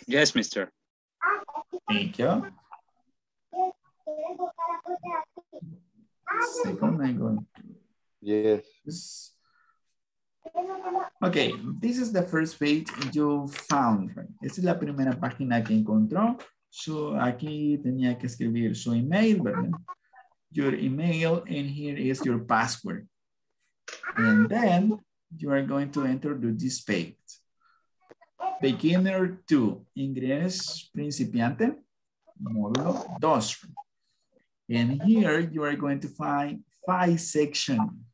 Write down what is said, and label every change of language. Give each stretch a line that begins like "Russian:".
English: Yes, mister. Thank you. Second, I'm going to... Yes. Okay, this is the first page you found.
Spanish: Esta es la primera página que encontró. So, aquí tenía que escribir su email, ¿verdad?
English: Your email, and here is your password. And then, you are going to enter this page. Beginner 2,
Spanish: ingres principiante, módulo 2.
English: And here, you are going to find 5 sections.